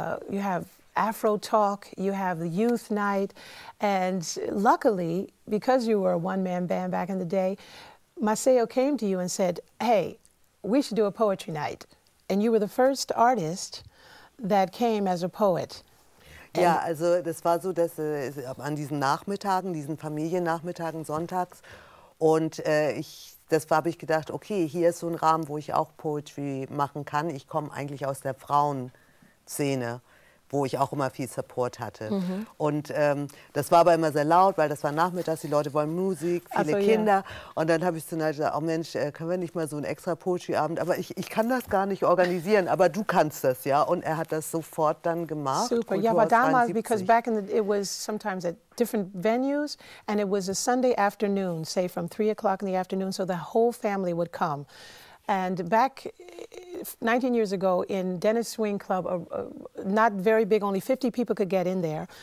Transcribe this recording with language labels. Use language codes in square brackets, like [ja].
[en] You have Afro Talk, you have the Youth Night. And luckily, because you were a one-man band back in the day, Maceo came to you and said, hey, we should do a Poetry Night. And you were the first artist that came as a poet. [de] Ja, also das war so, dass an diesen Nachmittagen, diesen Familiennachmittagen sonntags und habe ich gedacht, okay, hier ist so ein Rahmen, wo ich auch Poetry machen kann. Ich komme eigentlich aus der Frauenszene, wo ich auch immer viel Support hatte. Mhm. Und das war aber immer sehr laut, weil das war nachmittags, die Leute wollen Musik, viele Kinder. Yeah. Und dann habe ich zu Nadja gesagt, oh Mensch, können wir nicht mal so einen extra Poetry-Abend? Aber ich kann das gar nicht organisieren, aber du kannst das, ja? Und er hat das sofort dann gemacht. Super, ja, aber damals, [en] because back in the, it was sometimes at different venues, and it was a Sunday afternoon, say from 3 o'clock in the afternoon, so the whole family would come. And back 19 years ago in Dennis Swing Club, not very big, only 50 people could get in there.